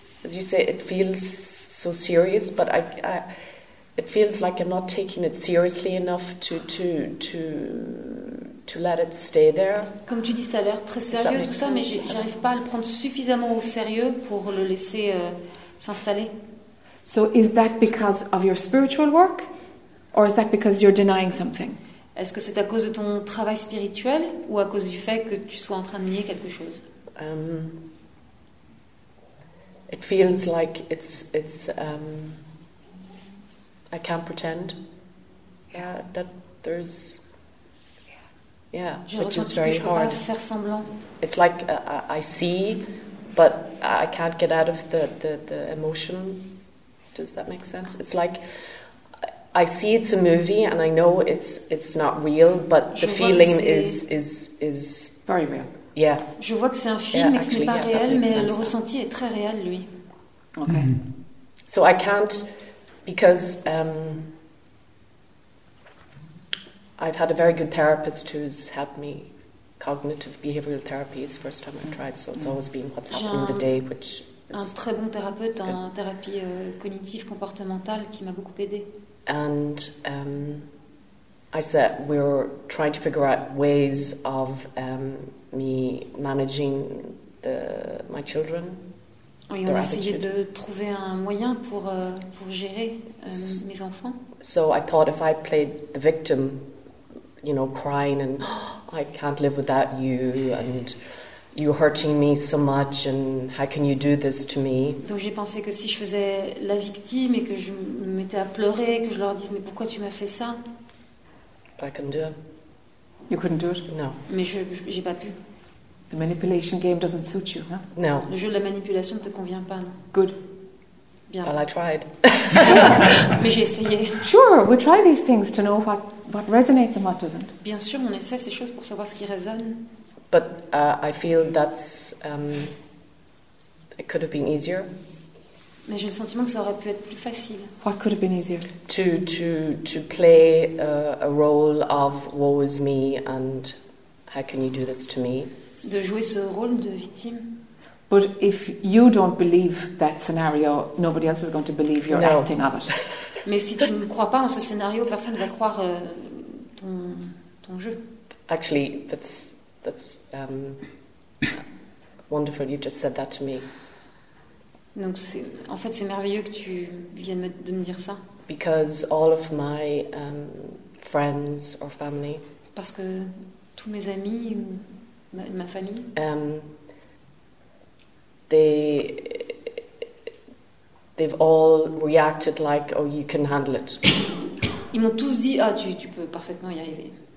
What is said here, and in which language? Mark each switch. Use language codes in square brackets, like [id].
[en] As you say, it feels so serious, but it feels like I'm not taking it seriously enough to let it stay there. [fr] Comme tu dis, ça a l'air très sérieux tout ça, mais j'arrive pas à le prendre suffisamment au sérieux pour le laisser s'installer. [en] So is that because of your spiritual work, or is that because you're denying something? [fr] Est-ce que c'est à cause de ton travail spirituel ou à cause du fait que tu sois en train de nier quelque chose? [en] It feels like it's I can't pretend. Yeah, that there's yeah, which is very hard. [fr] Je peux pas faire semblant. [en] It's like I see, but I can't get out of the emotion. Does that make sense? It's like I see it's a movie and I know it's not real, but the feeling is very real. Yeah. [fr] Je vois que c'est un film, mais ce n'est pas réel, mais le ressenti est très réel, lui. [en] Okay. Mm-hmm. So I can't, because I've had a very good therapist who's helped me. Cognitive behavioral therapy is the first time I've tried, so it's always been what's happening the day, which is [fr] un très bon thérapeute en thérapie cognitive comportementale qui m'a beaucoup aidée. [en] And I said we're trying to figure out ways of me managing my children. [fr] Oui, on a essayé de trouver un moyen pour gérer mes enfants. [en] So I thought if I played the victim, you know, crying and I can't live without you and you hurting me so much and how can you do this to me? [fr] Donc j'ai pensé que si je faisais la victime et que je me mettais à pleurer, que je leur dise mais pourquoi tu m'as fait ça? [en] But I couldn't do it. You couldn't do it? No. [fr] Mais j'ai pas pu. [en] The manipulation game doesn't suit you, huh? No. [fr] Le jeu de la manipulation ne te convient pas, non? [en] Good. [fr] Bien. [en] Well, I tried. [fr] Mais j'ai essayé. [en] Sure, we try these things to know what resonates and what doesn't. [fr] Bien sûr, on essaie ces choses pour savoir ce qui résonne. [en] But I feel that's it could have been easier. [fr] Mais j'ai le sentiment que ça aurait pu être plus facile. [en] What could have been easier? To play a role of woe is me and how can you do this to me? [fr] De jouer ce rôle de victime. [en] But if you don't believe that scenario, nobody else is going to believe your acting of it. [fr] Mais si tu ne crois pas en ce scénario, personne ne va croire ton jeu. [en] Actually, that's wonderful. You just said that to me. [fr] Donc en fait, c'est merveilleux que tu viennes de me dire ça. [en] Because all of my friends or family. [fr] Parce que tous mes amis ou ma famille. [en] They've all reacted like, oh, you can handle it. [fr] Ils m'ont tous dit, ah, tu peux parfaitement y arriver.